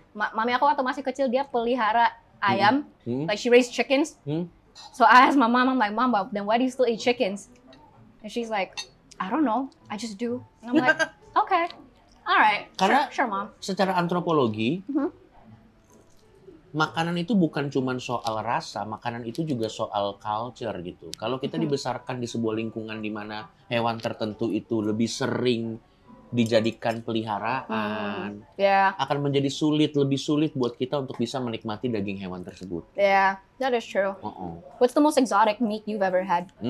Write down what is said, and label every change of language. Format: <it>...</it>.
<id>Mami aku waktu masih kecil, dia pelihara ayam. Hmm. Hmm.</id> <en>Like, she raised chickens. Hmm. So, I asked my mom, I'm like, mom, but then why do you still eat chickens? And she's like, I don't know, I just do. And I'm like, okay, alright.</en> <id>Karena</id> <en>sure, mom.</en> <id>Secara antropologi, makanan itu bukan cuma soal rasa, makanan itu juga soal culture gitu. Kalau kita dibesarkan di sebuah lingkungan di mana hewan tertentu itu lebih sering dijadikan peliharaan, akan menjadi lebih sulit buat kita untuk bisa menikmati daging hewan tersebut.</id> <en>Yeah, that is true. Uh-uh. What's the most exotic meat you've ever had?</en>